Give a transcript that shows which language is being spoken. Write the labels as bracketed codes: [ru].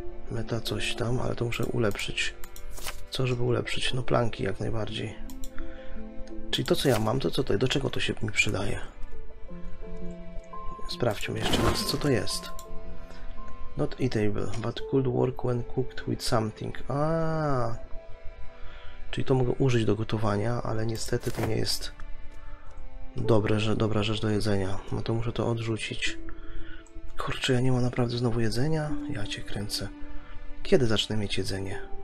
[pl] Meta coś tam, ale to muszę ulepszyć. Co, żeby ulepszyć? No planki jak najbardziej. Czyli to co ja mam, to co to jest? Do czego to się mi przydaje? Sprawdźmy jeszcze raz, co to jest. [en] Not eatable, but could work when cooked with something. [pl] A, czyli to mogę użyć do gotowania, ale niestety to nie jest dobra rzecz do jedzenia. No to muszę to odrzucić. Kurczę, ja nie mam naprawdę znowu jedzenia? Ja cię kręcę. Kiedy zacznę mieć jedzenie?